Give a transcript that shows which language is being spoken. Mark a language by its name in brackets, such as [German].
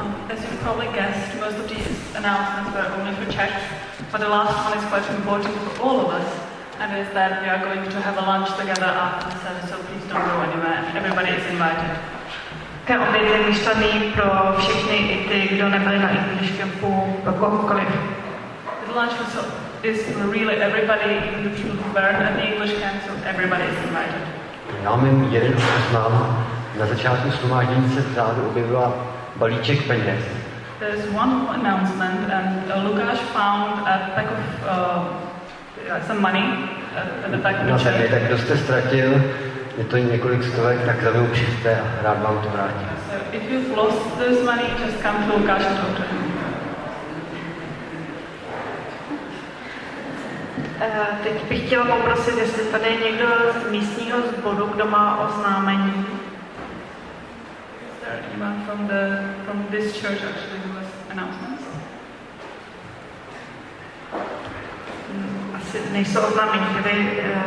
[English] As you probably guessed, most of these announcements were only for Czech, but the last one is quite important for all of us, and is that we are going to have a lunch together after the service, so please don't go anywhere. Everybody is invited. [Czech] Ten oběd je myšlený pro všechny, i ty, kdo nebyli na English campu, pro kohokoliv. [English] The lunch also is for really everybody, even the people who weren't at the English camp, so everybody is invited. [Czech] Já mám jeden z nám, na začátku shromáždění se vzadu objevila balíček peněz. [English] There's one announcement and Lukáš found a pack of some money at the back of the [Czech] tak kdo jste ztratil, je to několik stovek, tak za mnou přijďte a rád vám to vrátím. [English] So if you've lost this money, just come to Lukáš and talk to him. [Czech] Teď bych chtěla poprosit, jestli tady je někdo z místního sboru, kdo má oznámení. [English] Is there anyone from this church actually who has announcements? [Czech] Asi nejsou oznámení, kdyby...